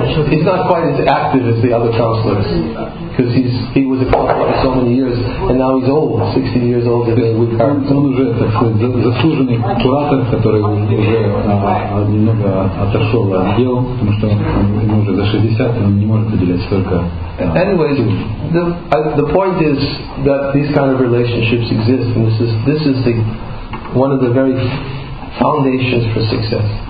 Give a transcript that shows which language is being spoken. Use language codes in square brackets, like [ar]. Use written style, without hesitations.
[en] He's not quite as active as the other counselors, because he was a counselor for so many years, and now he's old, 60 years old. [ru] Он уже заслуженный куратор, который уже немного отошел от дел, потому что ему уже за 60, он не может уделять столько. [en] Anyway, the point is that these kind of relationships exist, and this is the one of the very foundations for success.